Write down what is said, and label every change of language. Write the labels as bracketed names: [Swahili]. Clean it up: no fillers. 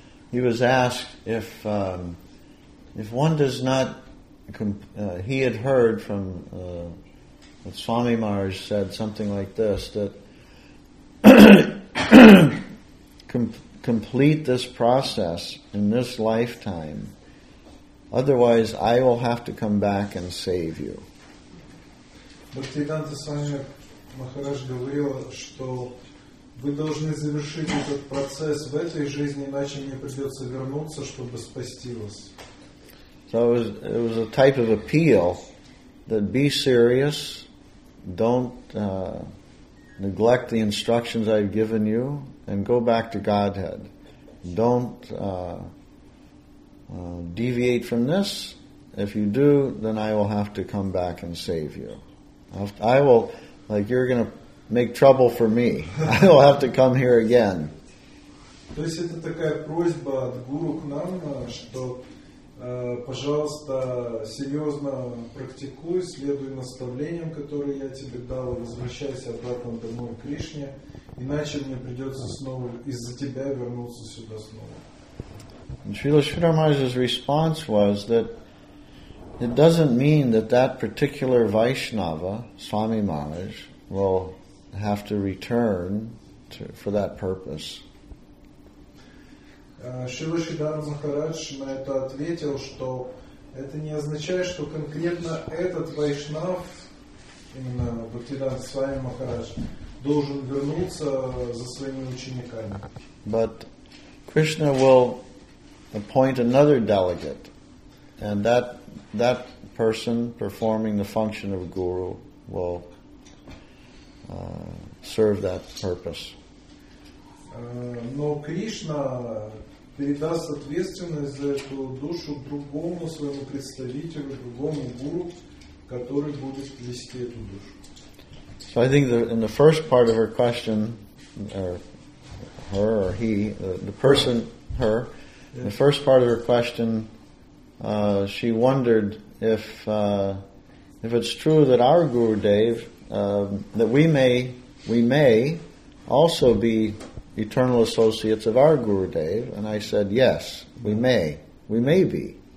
[English] He was asked if one does not, he had heard from, that Swami Maharaj said something like this, that complete this process in this lifetime, otherwise I will have to come back and save you. [Russian] Бхактивиданта Свами Махарадж говорил, что вы должны завершить этот процесс в этой жизни, иначе мне придется вернуться, чтобы спасти вас. [English] So it was a type of appeal that be serious, don't neglect the instructions I've given you, and go back to Godhead. Don't deviate from this. If you do, then I will have to come back and save you. I will, like you're going to make trouble for me. I will have to come here again. [Russian] То есть это такая просьба от гуру к нам, что, пожалуйста, серьезно практикуй, следуй наставлениям, которые я тебе дал, возвращайся обратно домой к Кришне. Иначе мне придется снова из-за тебя вернуться сюда снова. [English] And Srila Sridhar Maharaj's response was that it doesn't mean that that particular Vaishnava, Swami Maharaj, will have to return for that purpose. [Russian] Srila Sridhar Maharaj на это ответил, что это не означает, что конкретно этот Вайшнав, именно Бхактивиданта Свами Махарадж, должен вернуться за своими учениками. [English] But Krishna will appoint another delegate, and that person performing the function of guru will serve that purpose. [Russian] Но Кришна передаст ответственность за эту душу другому своему представителю, другому гуру, который будет вести эту душу. [English] So I think in the first part of her question, in the first part of her question, she wondered if it's true that our Gurudev, that we may also be eternal associates of our Gurudev, and I said, yes, we may be.